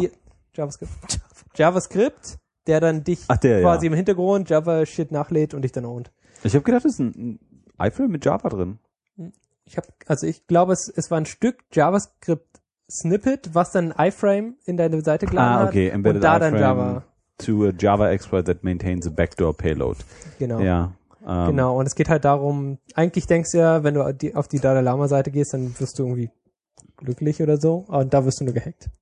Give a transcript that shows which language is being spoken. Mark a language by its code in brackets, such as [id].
[de] Die. JavaScript. Der dann dich quasi im Hintergrund Java Shit nachlädt und dich dann ownt. Ich habe gedacht, das ist ein iPhone mit Java drin. Ich glaube, es war ein Stück JavaScript-Snippet, was dann ein iframe in deine Seite geladen hat. Ah, okay. Embedded und da dann Java. [en] To a Java exploit that maintains a backdoor payload. [de] Genau. Ja. Genau. Und es geht halt darum, eigentlich denkst du ja, wenn du auf die Dalai Lama-Seite gehst, dann wirst du irgendwie glücklich oder so. Und da wirst du nur gehackt.